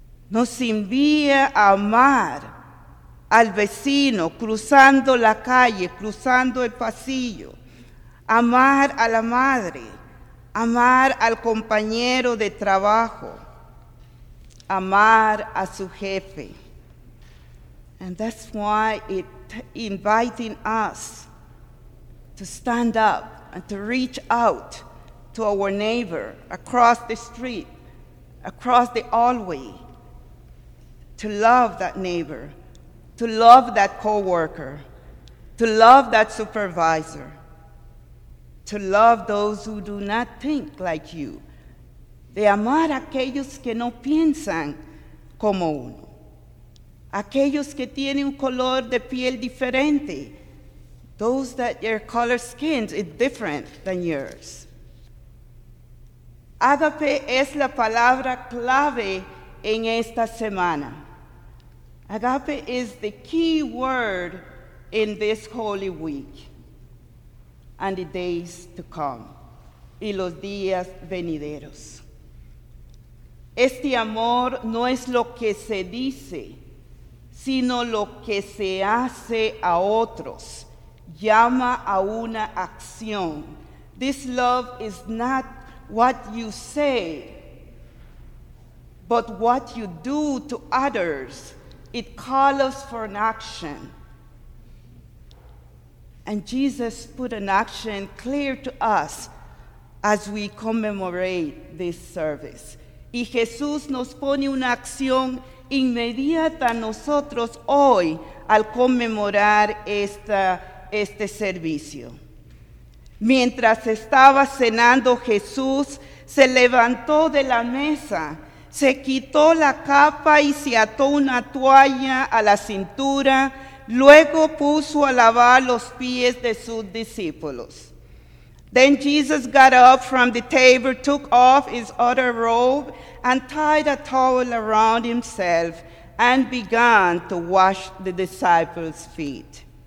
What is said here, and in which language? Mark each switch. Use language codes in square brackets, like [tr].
[es] Nos envía a amar al vecino, cruzando la calle, cruzando el pasillo. Amar a la madre, amar al compañero de trabajo, amar a su jefe. [en] And that's why it inviting us to stand up and to reach out to our neighbor across the street, across the hallway, to love that neighbor, to love that coworker, to love that supervisor, to love those who do not think like you. [es] De amar aquellos que no piensan como uno. Aquellos que tienen un color de piel diferente. [en] Those that their color skin is different than yours. [es] Agape es la palabra clave en esta semana. [en] Agape is the key word in this holy week and the days to come, [es] y los días venideros. Este amor no es lo que se dice, sino lo que se hace a otros. Llama a una acción. [en] This love is not what you say, but what you do to others. It calls us for an action. And Jesus put an action clear to us as we commemorate this service. [es] Y Jesús nos pone una acción inmediata a nosotros hoy al conmemorar este servicio. Mientras estaba cenando, Jesús se levantó de la mesa, se quitó la capa y se ató una toalla a la cintura, luego puso a lavar los pies de sus discípulos. [en] Then Jesus got up from the table, took off his outer robe, and tied a towel around himself, and began to wash the disciples' feet.